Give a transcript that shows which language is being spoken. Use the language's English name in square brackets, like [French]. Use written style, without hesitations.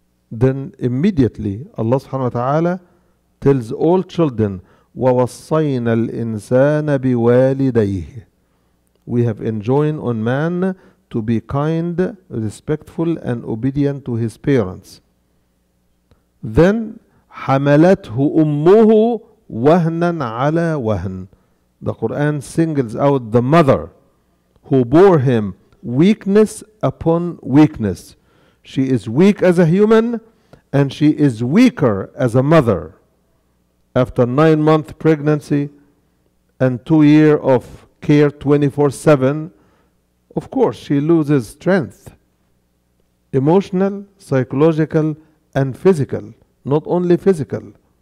[English] Then immediately Allah subhanahu wa ta'ala tells all children, [Arabic] وَوَصَّيْنَا الْإِنسَانَ بِوَالِدَيْهِ. [English] We have enjoined on man to be kind, respectful, and obedient to his parents. Then, [Arabic] حَمَلَتْهُ أُمُّهُ وَهْنًا عَلَى وَهْنٍ. [English] The Quran singles out the mother who bore him weakness upon weakness. She is weak as a human, and she is weaker as a mother. After 9 months pregnancy and 2 years of care 24/7, of course she loses strength, emotional, psychological, and physical, not only physical.